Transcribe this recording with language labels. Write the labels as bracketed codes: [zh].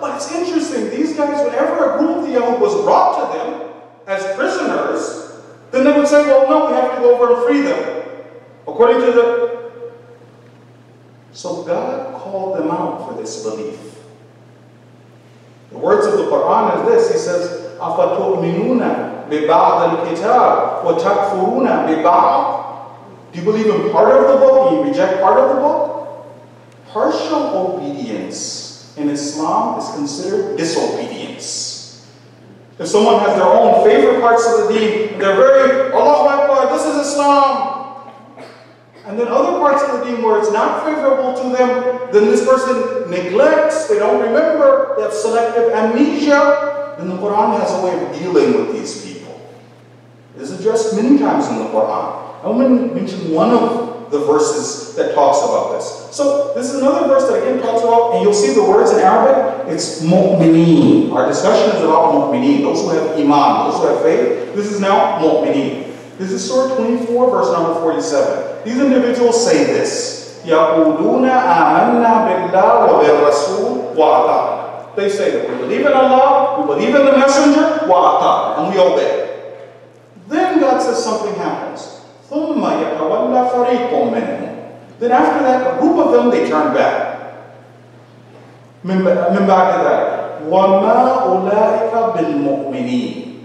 [en] But it's interesting, these guys, whenever a group of the Yahud was brought to them as prisoners, then they would say, well, no, we have to go over and free them. According to the... So God called them out for this belief. The words of the Quran is this. He says, [ar] أَفَتُؤْمِنُونَ بِبَعْضَ الْكِتَابِ وَتَكْفُرُونَ بِبَعْضِ. [en] Do you believe in part of the book? Do you reject part of the book? Partial obedience in Islam is considered disobedience. If someone has their own favorite parts of the deen, they're very, Allahu Akbar, this is Islam. And then other parts of the deen where it's not favorable to them, then this person neglects, they don't remember, they have selective amnesia. Then the Quran has a way of dealing with these people. It is addressed many times in the Quran. I want to mention one of the verses that talks about this. So this is another verse that again talks about, and you'll see the words in Arabic, it's mu'mineen. Our discussion is about mu'mineen, those who have iman, those who have faith. This is now mu'mineen. This is Surah 24, verse number 47. These individuals say this, [ar] يَقُولُونَ آمَنَّا بِاللَّهِ وَبِالرَّسُولِ وَعَطَانَ. [en] They say that we believe in Allah, we believe in the Messenger, [ar] وَعَطَانَ, [en] and we obey. Then God says something happens. [ar] ثُمَّ يَتَوَلَّ فَرِيقٌ مِنْهُمْ. [en] Then after that, a group of them, they turn back. [ar] مِنْ بَعْدِ ذَلِكَ وَمَا أُولَٰئِكَ بِالْمُؤْمِنِينَ.